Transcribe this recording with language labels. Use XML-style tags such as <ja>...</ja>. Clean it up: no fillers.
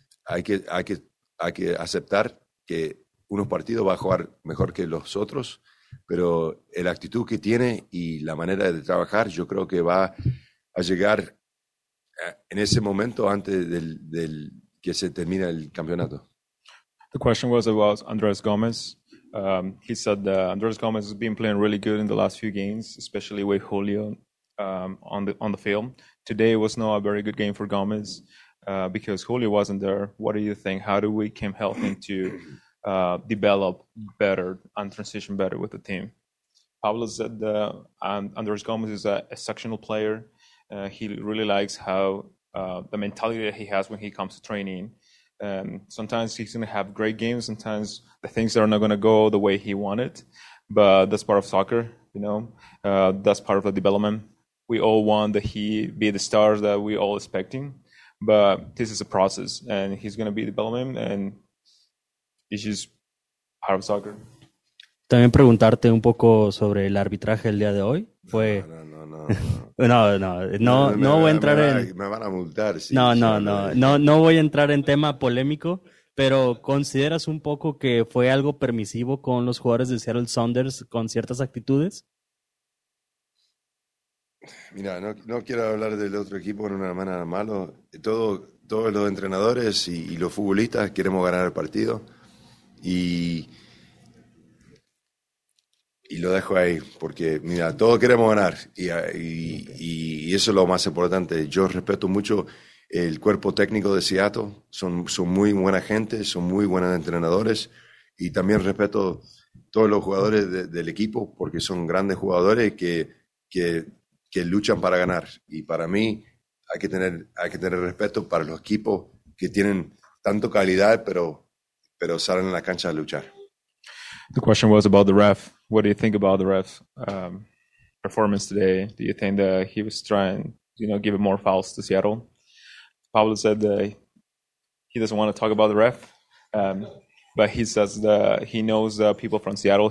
<es>Hay que aceptar que unos partidos va a jugar mejor que los otros, pero la actitud que tiene y la manera de trabajar, yo creo que va a llegar en ese momento antes del que se termine el campeonato.</es> <en>The question was about Andrés Gómez. He said that Andrés Gómez has been playing really good in the last few games, especially with Julio on the field. Today was not a very good game for Gómez because Julio wasn't there. What do you think? How do we keep helping to develop better and transition better with the team? Pablo said that Andrés Gómez is an exceptional player. He really likes how the mentality that he has when he comes to training. Sometimes he's going to have great games. Sometimes the things are not going to go the way he wanted. But that's part of soccer, you know. That's part of the development. We all want that he be the stars that we all expecting. But this is a process, and he's going to be development, and it's just part of soccer.</en> <es>También preguntarte un poco sobre el arbitraje el día de hoy. Fue... Me van a multar. Sí, No voy a entrar en tema polémico, pero ¿consideras un poco que fue algo permisivo con los jugadores de Seattle Sounders con ciertas actitudes? Mira, no quiero hablar del otro equipo en una manera malo. Todos los entrenadores y los futbolistas queremos ganar el partido. Y lo dejo ahí, porque, mira, todos queremos ganar. Y eso es lo más importante. Yo respeto mucho el cuerpo técnico de Seattle. Son muy buena gente, son muy buenos entrenadores. Y también respeto todos los jugadores del equipo, porque son grandes jugadores que luchan para ganar. Y para mí hay que tener respeto para los equipos que tienen tanto calidad, pero salen en la cancha a luchar.</es> <en>The question was about the ref. What do you think about the ref's performance today? Do you think that he was trying, you know, give more fouls to Seattle? Pablo said that he doesn't want to talk about the ref, but he says that he knows the people from Seattle.</en>